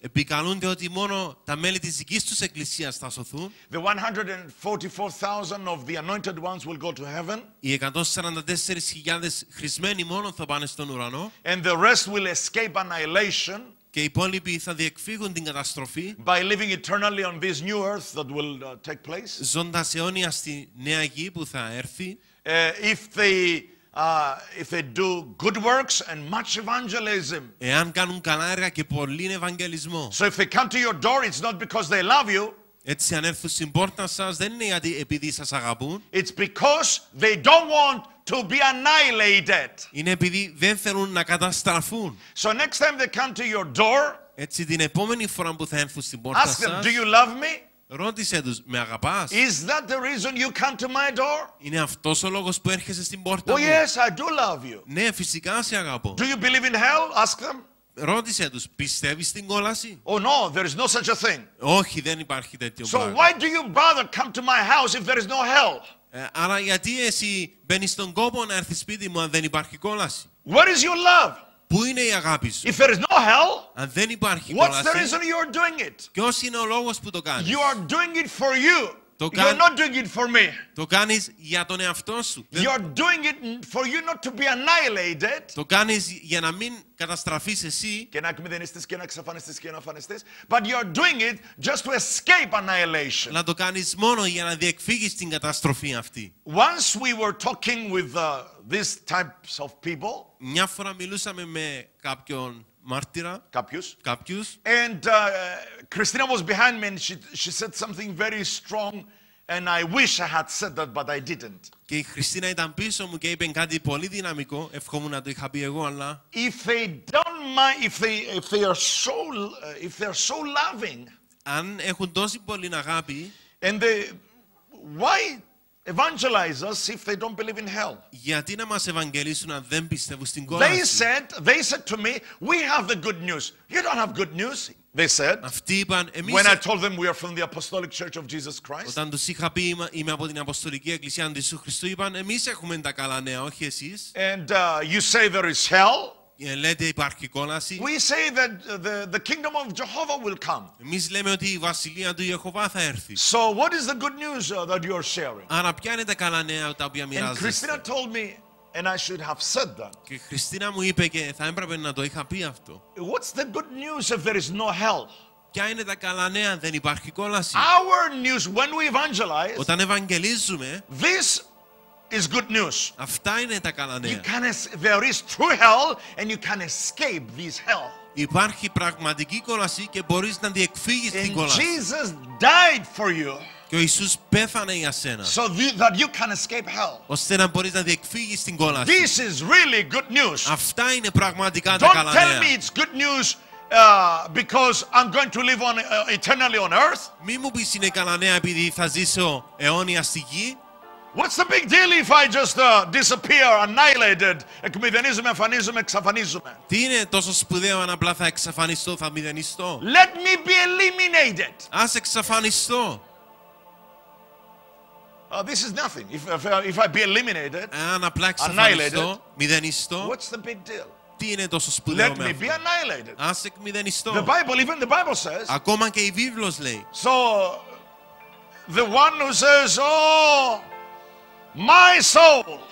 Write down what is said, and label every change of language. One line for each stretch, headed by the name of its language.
Greek: Επικαλούνται ότι μόνο τα μέλη της δικής τους εκκλησίας θα σωθούν.
English: The 144,000 of the anointed ones will go to heaven.
Greek: Οι 144,000 χρησμένοι μόνο θα πάνε στον ουρανό.
English: And the rest will escape annihilation.
Greek: Και οι υπόλοιποι θα διεκφύγουν την καταστροφή.
English: By living eternally on this new earth that will take place.
Greek: Ζώντας αιώνια στη νέα γη που θα έρθει.
English: If they do good works and much evangelism.
Greek: Εάν κάνουν καλά έργα και πολύ ευαγγελισμό.
English: So if they come to your door, it's not because they love you.
Greek: Έτσι αν έρθουν στην πόρτα σας, δεν είναι γιατί επειδή σας αγαπούν.
English: It's because they don't want to be annihilated.
Greek: Είναι επειδή δεν θέλουν να καταστραφούν.
English: So next time they come to your door,
Greek: έτσι την επόμενη φορά που θα έρθουν στην πόρτα
English: ask them, do you love me?
Greek: Ρώτησε τους, με αγαπάς?
English: Is that the reason you come to my door?
Greek: Είναι αυτός ο λόγος που έρχεσαι στην πόρτα μου?
English: Oh yes, I do love you.
Greek: Ναι, φυσικά σε αγαπώ.
English: Do you believe in hell? Ask them.
Greek: Ρώτησε τους, πιστεύεις στην κόλαση?
English: Oh no, there is no such a thing.
Greek: Όχι, δεν υπάρχει τέτοιο πράγμα.
English: So why do you bother come to my house if there is no hell?
Greek: Αλλά γιατί εσύ μπαίνεις στον κόπο να έρθεις σπίτι μου αν δεν υπάρχει κόλαση?
English: Where is your love?
Greek: Πού είναι η αγάπη σου?
English: If there is no hell,
Greek: αν δεν υπάρχει
English: what's
Greek: κόλαση,
English: the reason you are doing it?
Greek: Ποιος είναι ο λόγος που το κάνεις?
English: You are doing it for you. You're not doing it for me.
Greek: Το κάνεις για τον εαυτό σου.
English: You're doing it for you not to be annihilated.
Greek: Το κάνεις για να μην καταστραφείς εσύ. Και να εκμηδενιστείς και να εξαφανιστείς και να εφανιστείς.
English: But you're doing it just to escape annihilation.
Greek: Να το κάνεις μόνο για να διεκφύγεις την καταστροφή αυτή.
English: Once we were talking with these types of people.
Greek: Μια φορά μιλούσαμε με κάποιον μάρτυρα. Κάποιους.
English: And Christina was behind me and she said something very strong and I wish I had said that but I didn't.
Greek: Και η Χριστίνα ήταν πίσω μου και είπε κάτι πολύ δυναμικό. Ευχόμουν να το είχα πει εγώ, αλλά.
English: If they are so loving.
Greek: Αν έχουν τόση πολύ αγάπη.
English: And they, why evangelize us if they don't believe in hell.
Greek: Γιατί να μας ευαγγελίσουν αν δεν πιστεύουν στην κόλαση.
English: They said to me, we have the good news. You don't have good news. They said, when I told them we are from the Apostolic Church of Jesus Christ,
Greek: όταν τους είχα πει είμαι από την Αποστολική Εκκλησία του Ιησού Χριστού, είπαν εμείς έχουμε τα καλά νέα, όχι εσείς.
English: And you say there is hell.
Greek: Λέτε υπάρχει κόλαση.
English: We say that the kingdom of Jehovah will come.
Greek: Εμείς λέμε ότι η βασιλεία του Ιεχωβά θα έρθει.
English: So what is the good news that you are sharing?
Greek: Άρα ποια είναι τα καλά νέα τα οποία μοιράζεστε.
English: And Christina told me, and I should have said that.
Greek: Και η Χριστίνα μου είπε και θα έπρεπε να το είχα πει αυτό.
English: What's the good news if there is no hell?
Greek: Ποια είναι τα καλά νέα δεν υπάρχει κόλαση.
English: Our news when we evangelize.
Greek: Όταν ευαγγελίζουμε.
English: This is good news.
Greek: Αυτά είναι τα καλά νέα.
English: You can there is true hell and you can escape this hell.
Greek: Υπάρχει πραγματική κόλαση και μπορείς να διεκφύγεις την κόλαση.
English: Jesus died for you.
Greek: Και ο Ιησούς πέθανε για σένα.
English: So that you can escape hell.
Greek: Ώστε να μπορείς να διεκφύγεις την κόλαση.
English: This is really good news.
Greek: Αυτά είναι πραγματικά τα καλά νέα.
English: Don't tell me it's good news because I'm going to live on eternally on earth.
Greek: Μη μου πεις είναι καλά νέα επειδή θα ζήσω αιώνια στη γη.
English: What's the big deal if I just disappear, annihilated,
Greek: εκμηδενίζουμε, εμφανίζουμε, εξαφανίζουμε. Τι είναι τόσο σπουδαίο αν απλά θα εξαφανιστώ, θα μηδενιστώ.
English: Let me be eliminated.
Greek: Ας εξαφανιστώ.
English: This is nothing. If I be eliminated,
Greek: αν απλά εξαφανιστώ, μηδενιστώ.
English: What's the big deal?
Greek: Τι είναι τόσο σπουδαίο με αυτό.
English: Let me be annihilated.
Greek: Ας εκμηδενιστώ.
English: The Bible, even the Bible says.
Greek: Ακόμα και η Βίβλος λέει.
English: So, the one who says, oh, my soul.